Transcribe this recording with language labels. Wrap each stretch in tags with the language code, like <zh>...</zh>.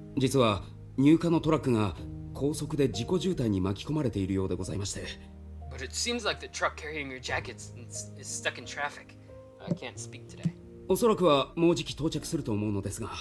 <ja>実は、入荷のトラックが高速で事故渋滞に巻き込まれているようでございまして。</ja> <en>But it seems like the truck carrying your jackets is stuck in traffic. I can't speak today.</en> <ja>おそらくはもうじき到着すると思うのですが。</ja>